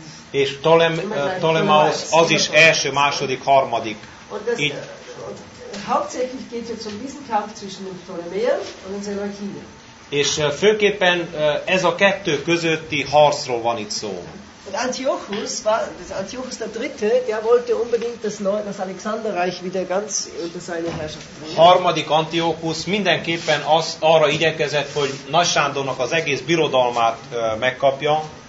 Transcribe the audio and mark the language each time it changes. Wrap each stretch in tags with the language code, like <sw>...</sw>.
<hu>És Ptolemaos az is első, második, harmadik. Így.</hu> <de>Hauptsächlich geht jetzt um diesen Kampf zwischen den Ptolemäern und den Seleukiden.</de> <hu>És főképpen ez a kettő közötti harcról van itt szó.</hu> <de>Antiochus war, Antiochus der Dritte, der wollte unbedingt das neue, das Alexanderreich wieder ganz unter seine Herrschaft bringen.</de> <hu>Harmadik Antiochus mindenképpen az, arra igyekezett, hogy Nagy Sándornak az egész birodalmát megkapja.</hu>